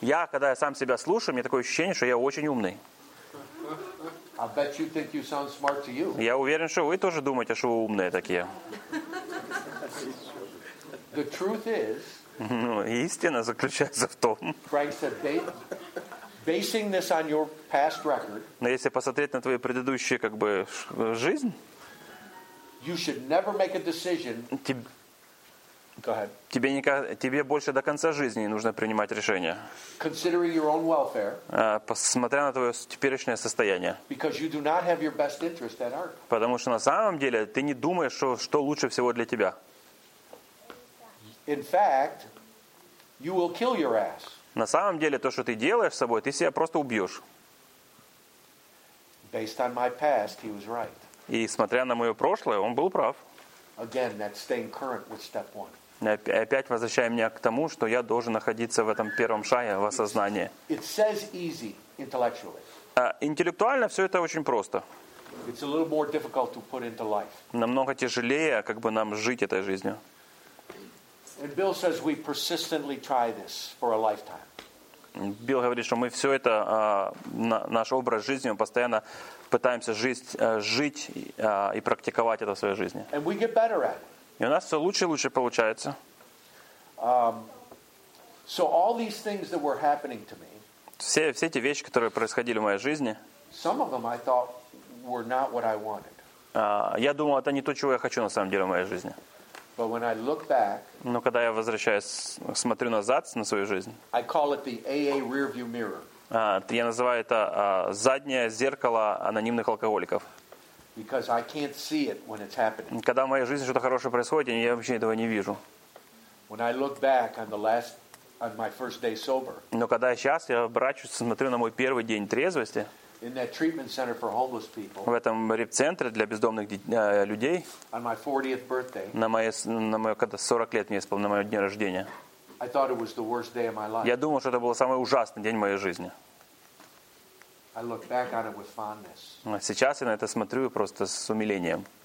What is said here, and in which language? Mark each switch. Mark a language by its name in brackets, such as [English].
[Russian] Когда я сам себя слушаю, мне такое ощущение, что я очень умный. [English] I bet you think you sound smart to you. [Russian] Я уверен, что вы тоже думаете, что вы умные такие. [English] The truth is. [Russian] Истина заключается в том. [English] Frank said, basing this on your past record. [Russian] Но если посмотреть на твою предыдущую жизнь. [English] You should never make a decision. Go ahead. [Russian] Тебе больше до конца жизни нужно принимать решение. [English] Considering your own welfare. [Russian] Посмотря на твое теперешнее состояние. [English] Because you do not have your best interest at heart. [Russian] Потому что на самом деле ты не думаешь, что лучше всего для тебя. [English] In fact, you will kill your ass. [Russian] На самом деле то, что ты делаешь с собой, ты себя просто убьешь. [English] Based on my past, he was right. [Russian] И смотря на мое прошлое, он был прав. [English] Again, that's staying current with step one. [Russian] Опять возвращая меня к тому, что я должен находиться в этом первом шаге, в осознании. [English] It says easy intellectually. [Russian] Интеллектуально все это очень просто. [English] It's a little more difficult to put into life. [Russian] Намного тяжелее нам жить этой жизнью. [English] And Bill says we persistently try this for a lifetime. [Russian] Билл говорит, что мы все это, наш образ жизни, мы постоянно пытаемся жить и практиковать это в своей жизни. [English] And we get better at it. [Russian] И у нас все лучше и лучше получается. [English] So all these things that were happening to me, [Russian] все эти вещи, которые происходили в моей жизни, [English] some of them I thought were not what I wanted. [Russian] Я думал, это не то, чего я хочу на самом деле в моей жизни. [English] But when I look back, [Russian] но когда я возвращаюсь, смотрю назад на свою жизнь, [English] I call it the AA rearview mirror. [Russian] Я называю это заднее зеркало анонимных алкоголиков. [English] Because I can't see it when it's happening. [Russian] Когда в моей жизни что-то хорошее происходит, я вообще этого не вижу. [English] When I look back on the last, on my first day sober. [Russian] Но когда сейчас я обращусь, смотрю на мой первый день трезвости. [English] In that treatment center for homeless people. [Russian] В этом реабцентре для бездомных людей. [English] On my 40th birthday. [Russian] Когда 40 лет мне исполнилось, на моё день рождения. [English] I thought it was the worst day of my life. [Russian] Я думал, что это был самый ужасный день в моей жизни. [English] I look back on it with fondness. [Russian] Сейчас я на это смотрю просто с умилением.